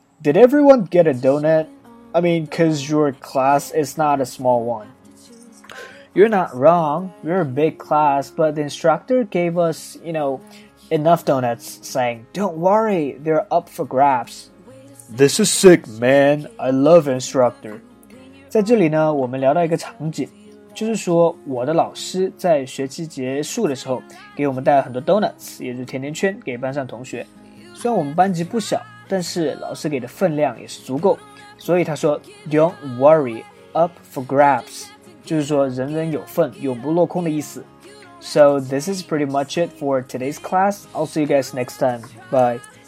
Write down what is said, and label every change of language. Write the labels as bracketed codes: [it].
[en] Did everyone get a donut? I mean, cause your class is not a small one. You're not wrong, we're a big class, but the instructor gave us, you know, enough donuts, saying, don't worry, they're up for grabs. This is sick, man, I love instructor. [zh] 在这里呢，我们聊到一个场景，就是说我的老师在学期结束的时候给我们带了很多 donuts, 也就是甜甜圈给班上同学。虽然我们班级不小，但是老师给的分量也是足够，所以他说 [en] don't worry, up for grabs. [zh] 就是说人人有份，永不落空的意思。 [en] So this is pretty much it for today's class. I'll see you guys next time. Bye.